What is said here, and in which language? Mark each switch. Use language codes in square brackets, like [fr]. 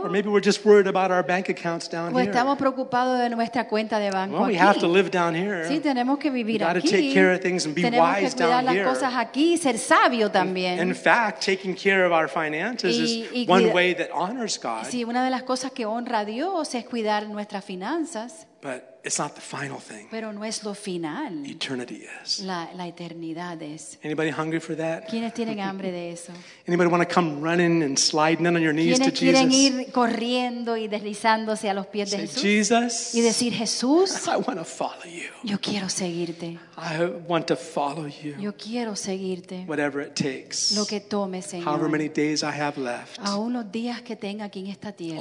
[en] Or maybe we're just worried about our bank accounts down here. [es] ¿O estamos preocupados de nuestra cuenta de banco? [en] Well, we have to live down here. [es] Sí, tenemos que vivir [en] aquí. Gotta take care of things and be [es] tenemos [en] wise down here. [es] Tenemos que cuidar las cosas aquí y ser sabio también. [en] In fact, taking care of our finances is one way that honors God. [es] Sí, una de las cosas que honra a Dios es cuidar nuestras finanzas. [en] But it's not the final thing. [es] Pero no es lo final. [en] Eternity is. [es] La eternidad es. [en] Anybody hungry for that? [es] ¿Quiénes tienen hambre de eso? [en] Anybody want to come running and sliding in on your knees to Jesus? [es] ¿Quiénes quieren ir corriendo y deslizándose a los pies de Jesús? [en] Say, Jesus. [es] Y decir, Jesús. [en] I want to follow you. [es] Yo quiero seguirte. [en] I want to follow you. [es] Yo quiero seguirte. [en] Whatever it takes. [es] Lo que tome, Señor. [en] However many days I have left. [es] Aún los días que tenga aquí en esta tierra.